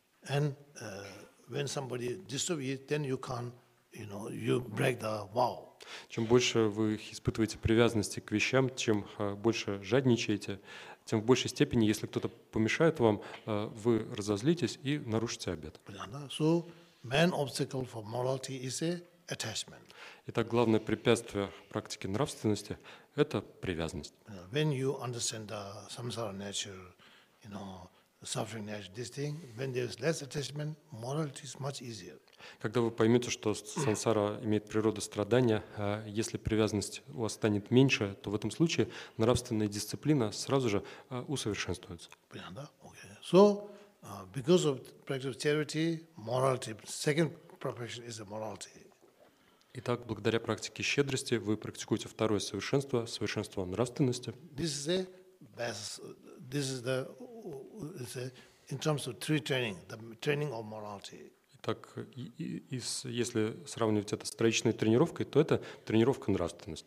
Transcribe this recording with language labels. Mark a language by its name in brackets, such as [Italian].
[English] And when somebody disturbs you, then you can't, you know, you break the vow. [Russian] Чем больше вы испытываете привязанности к вещам, чем больше жадничаете, тем в большей степени, если кто-то помешает вам, вы разозлитесь и нарушите обет. [English] So, main obstacle for morality is a attachment. [Russian] Итак, главное препятствие практики нравственности – это привязанность. [English] When you understand the samsara nature, you know, suffering nature, this thing, when there is less attachment, morality is much easier. [Russian] Когда вы поймете, что сансара имеет природу страдания, если привязанность у вас станет меньше, то в этом случае нравственная дисциплина сразу же усовершенствуется. Понятно? Okay. [English] So, because of the practice of charity, morality, second profession is the morality. [Russian] Итак, благодаря практике щедрости вы практикуете второе совершенство, совершенство нравственности. [English] This is the best, this is the, is the, in terms of three training, the training of morality. [Russian] Так, если сравнивать это с троичной тренировкой, то это тренировка нравственности.